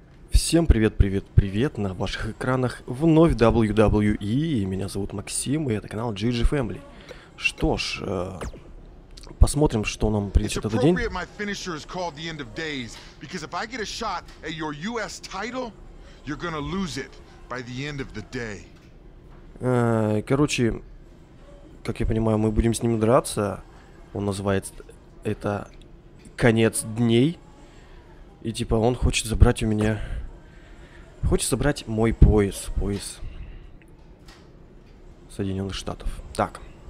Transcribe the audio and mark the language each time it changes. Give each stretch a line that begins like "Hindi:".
Russian: Всем привет на ваших экранах вновь WWE, меня зовут Максим, и это канал GG Family. Что ж, посмотрим, что нам принесет этот день.
English: It's appropriate my finisher is called the end of days, because if I get a shot at your US title, you're gonna lose it by the end of the day.
Russian: Короче, как я понимаю, мы будем с ним драться, он называет это конец дней, и типа он хочет забрать у меня... Хочется брать мой пояс. Пояс Соединенных Штатов. Так.